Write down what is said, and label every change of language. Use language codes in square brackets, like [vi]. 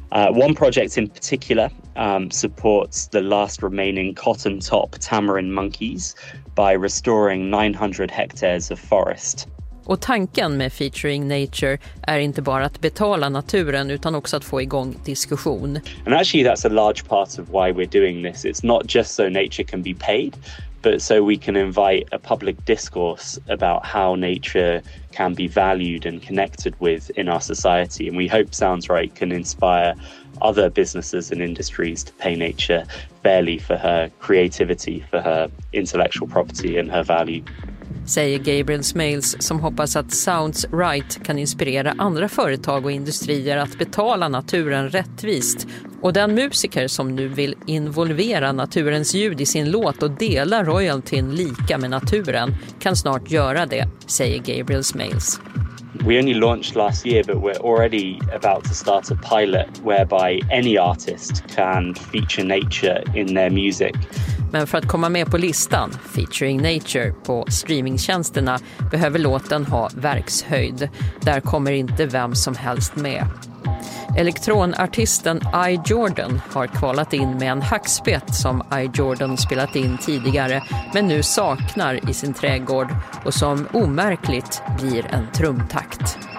[en] One project in particular supports the last remaining cotton top tamarin monkeys, by restoring 900 hectares of forest. [sv] Och tanken med Featuring Nature är inte bara att betala naturen utan också att få igång diskussion. [en] And actually that's a large part of why we're doing this. It's not just so nature can be paid, but so we can invite a public discourse about how nature can be valued and connected with in our society. And we hope Sounds Right can inspire other businesses and industries to pay nature fairly for her creativity, for her intellectual property and her value. [sv] Säger Gabriel Smales som hoppas att Sounds Right kan inspirera andra företag och industrier att betala naturen rättvist. Och den musiker som nu vill involvera naturens ljud i sin låt och dela royaltyn lika med naturen kan snart göra det, säger Gabriel Smales. [en] We only launched last year, but we're already about to start a pilot whereby any artist can feature nature in their music. [sv] Men för att komma med på listan, Featuring Nature, på streamingtjänsterna behöver låten ha verkshöjd. Där kommer inte vem som helst med. Elektronartisten I. Jordan har kvalat in med en hackspett som I. Jordan spelat in tidigare men nu saknar i sin trädgård och som omärkligt blir en trumtakt.